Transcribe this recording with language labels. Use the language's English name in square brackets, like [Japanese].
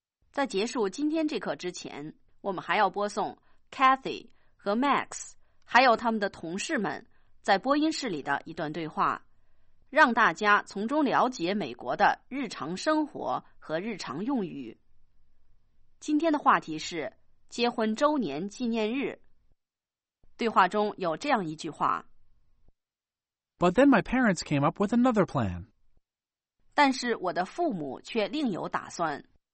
[Chinese] 在结束今天这课之前，我们还要播送 Cathy 和 Max 还有他们的同事们在播音室里的一段对话，让大家从中了解美国的日常生活和日常用语。今天的话题是结婚周年纪念日。对话中有这样一句话。 [English] But then my parents came up with another plan. [Chinese] 但是我的父母却另有打算。